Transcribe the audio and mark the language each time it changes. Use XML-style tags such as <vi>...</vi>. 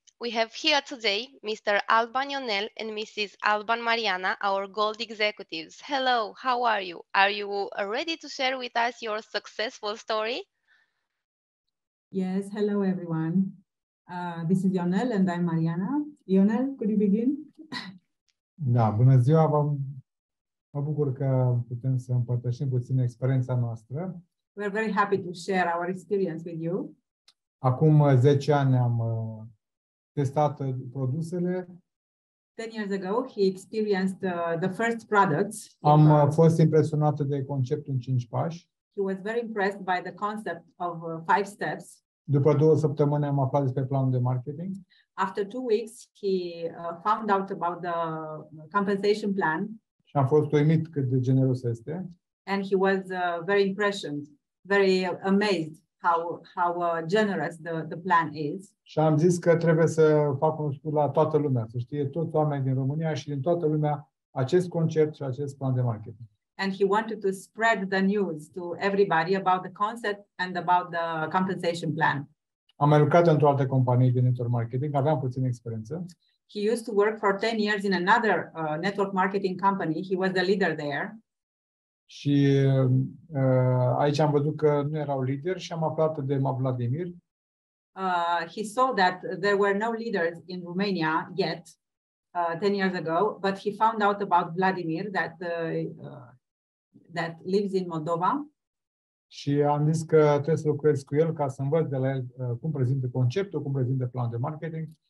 <en>We have here today Mr. Alban Ionel and Mrs. Alban Mariana, our gold executives. Hello, how are you? Are you ready to share with us your successful story? Yes, hello everyone. This is Ionel and I'm Mariana. Ionel, could you begin?</en> <ro>Da, bună ziua, mă bucur că putem să împărtășim puțin experiența noastră.</ro> <en>We're very happy to share our experience with you.</en> <ro>Acum 10 ani am testat produsele.</ro> <en>10 years ago, he experienced the first products.</en> <ro>Am fost impresionat de conceptul în 5 pași.</ro> <en>He was very impressed by the concept of 5 steps.</en> <ro>După 2 săptămâni am aflat despre planul de marketing.</ro> <en>After 2 weeks, he found out about the compensation plan.</en> <ro>Și am fost uimit cât de generos este.</ro> <en>And he was very impressioned, very amazed how generous the plan is.</en> <ro>Și am zis că trebuie să fac un studiu la toată lumea, să știe toți oamenii din România și din toată lumea acest concept și acest plan de marketing.</ro> <en>And he wanted to spread the news to everybody about the concept and about the compensation plan.</en> <ro>Am lucrat într-o altă companie de network marketing, aveam puțin experiență.</ro> <en>He used to work for 10 years in another network marketing company. He was the leader there.</en> <ro>Și aici am văzut că nu erau lideri și am aflat de Vladimir.</ro> <en>He saw that there were no leaders in Romania yet 10 years ago, but he found out about Vladimir that lives in Moldova.</en> <ro>Și am zis că trebuie să lucrez cu el ca să învăț de la el cum prezintă conceptul, cum prezintă planul de marketing.</ro>